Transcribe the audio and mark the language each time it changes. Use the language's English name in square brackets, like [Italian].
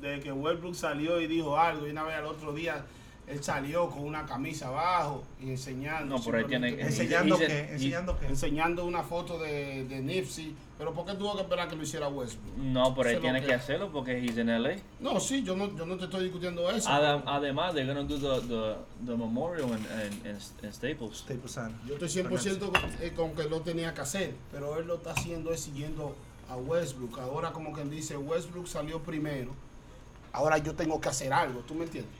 [Spanish] Desde que Westbrook salió y dijo algo, y una vez al otro día, él salió con una camisa abajo y enseñando. No, por ahí tiene... ¿Enseñando qué? Enseñando una foto de Nipsey. ¿Pero por qué tuvo que esperar que lo hiciera Westbrook? No, por ahí tiene que hacerlo porque [English] he's in L.A. [Spanish] No, sí, yo no te estoy discutiendo eso. Además, [English] they're going to do the memorial in Staples. Staples Center. [Spanish] Yo estoy 100% con que lo tenía que hacer, pero él lo está haciendo es siguiendo... a Westbrook. Ahora como quien dice, Westbrook salió primero, ahora yo tengo que hacer algo, ¿tú me entiendes?